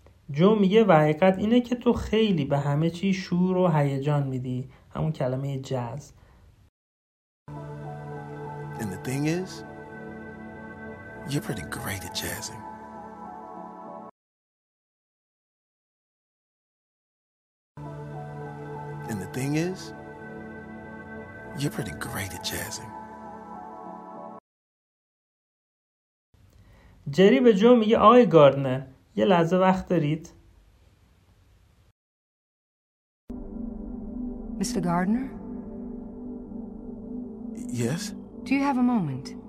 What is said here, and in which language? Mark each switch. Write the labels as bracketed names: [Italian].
[Persian] جو میگه و حقیقت اینه که تو خیلی به همه چی شور و هیجان میدی، همون کلمه جاز. [English] And the thing is, you're pretty great at jazzing. And the thing is, you're pretty great at jazzing. [Persian] جری به جو میگه آقای گاردنر یه لحظه وقت دارید؟ [English] Mr. Gardner? Yes? Do you have a moment?